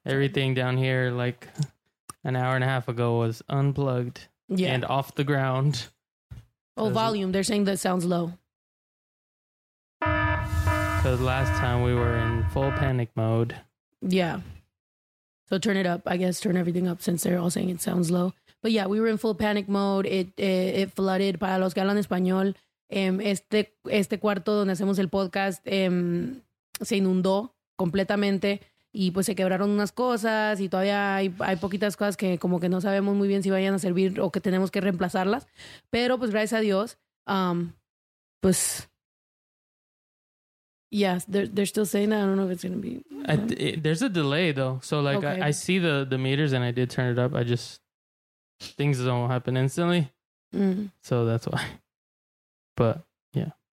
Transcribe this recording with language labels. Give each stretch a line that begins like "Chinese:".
English: Everything down here like an hour and a half ago was unplugged and off the ground. Oh, volume. They're saying that sounds low. Because last time we were in full panic mode. Yeah. So turn it up, I guess. Turn everything up since they're all saying it sounds low. But yeah, we were in full panic mode. It flooded.
Spanish: Para los que hablan español, este cuarto donde hacemos el podcast se inundó completamente. Y pues se quebraron unas cosas y todavía hay poquitas cosas que como que no sabemos muy bien si vayan a servir o que tenemos que reemplazarlas. Pero pues gracias a Dios, pues...
English: Yes, they're still saying that. I don't know if it's going to be... There's a delay, though. So, like, okay. I see the meters and I did turn it up. I just... Things don't happen instantly. Mm-hmm. So that's why. But, yeah.